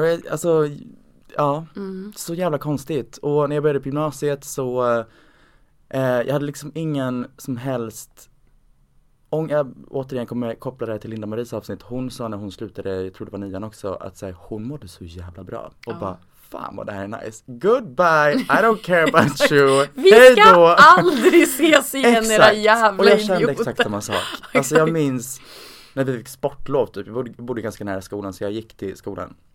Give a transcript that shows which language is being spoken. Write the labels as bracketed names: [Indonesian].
[Swedish] Alltså, ja. Mm. Så jävla konstigt. Och när jag började på gymnasiet så jag hade liksom ingen som helst. Och jag återigen kommer koppla det till Linda Maries avsnitt. Hon sa när hon slutade, jag tror det var nian också, att så här, hon mådde så jävla bra. Och ja, bara, fan vad det här är nice. [English] Goodbye, I don't care about you. [Swedish] Vi ska hejdå, aldrig ses igen. Era jävla, och jag kände idioter, exakt samma sak. Alltså jag minns när vi fick sportlov typ. Vi bodde ganska nära skolan, så jag gick till skolan.